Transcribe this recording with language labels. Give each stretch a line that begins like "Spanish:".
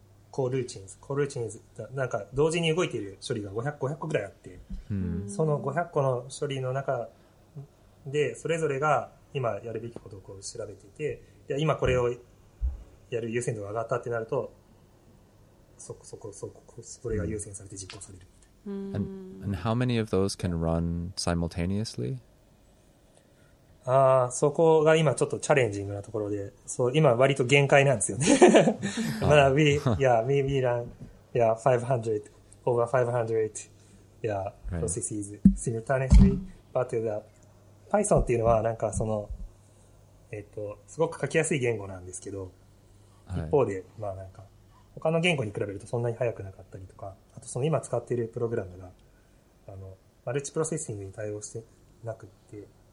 Japanese: コールーチンズ コールーチンズ なんか同時に動いている処理が500個ぐらいあって、その500個の処理の中でそれぞれが今やるべきことをこう調べていて、で今これをやる優先度が上がったってなると、それが優先されて実行される。
English: And how many of those can run simultaneously?
Japanese: そこが今ちょっとチャレンジングなところで、そう、今割と限界なんですよね。まだ
English: we, yeah, we, we run, yeah, 500, over 500, yeah, processes simultaneously. But the
Japanese: Python っていうのはなんかその、すごく書きやすい言語なんですけど、一方で、まあなんか、他の言語に比べるとそんなに速くなかったりとか、あとその今使っているプログラムが、あの、マルチプロセッシングに対応してなくって、